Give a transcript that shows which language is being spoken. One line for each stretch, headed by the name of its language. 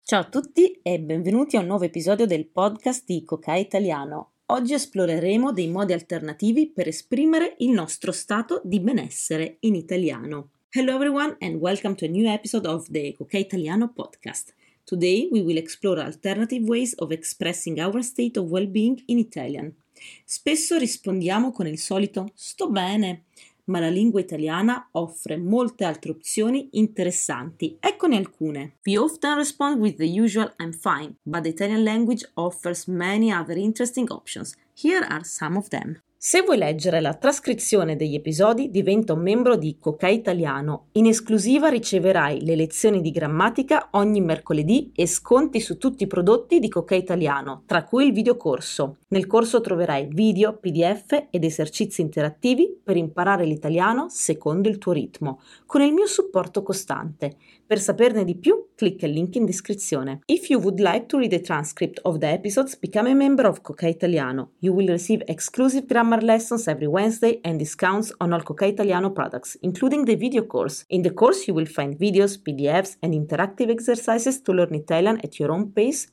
Italian: Ciao a tutti e benvenuti a un nuovo episodio del podcast di Coca Italiano. Oggi esploreremo dei modi alternativi per esprimere il nostro stato di benessere in italiano.
English: Hello everyone and welcome to a new episode of the Coca Italiano podcast. Today we will explore alternative ways of expressing our state of well-being in Italian.
Italian: Spesso rispondiamo con il solito sto bene, ma la lingua italiana offre molte altre opzioni interessanti. Eccone alcune.
English: We often respond with the usual I'm fine, but the Italian language offers many other interesting options. Here are some of them.
Italian: Se vuoi leggere la trascrizione degli episodi, diventa un membro di Coca Italiano. In esclusiva riceverai le lezioni di grammatica ogni mercoledì e sconti su tutti i prodotti di Coca Italiano, tra cui il videocorso. Nel corso troverai video, PDF ed esercizi interattivi per imparare l'italiano secondo il tuo ritmo, con il mio supporto costante. Per saperne di più, clicca il link in descrizione.
English: If you would like to read the transcript of the episodes, become a member of Coca Italiano. You will receive exclusive grammar lessons every Wednesday and discounts on all Coca Italiano products, including the video course. In the course, you will find videos, PDFs, and interactive exercises to learn Italian at your own pace.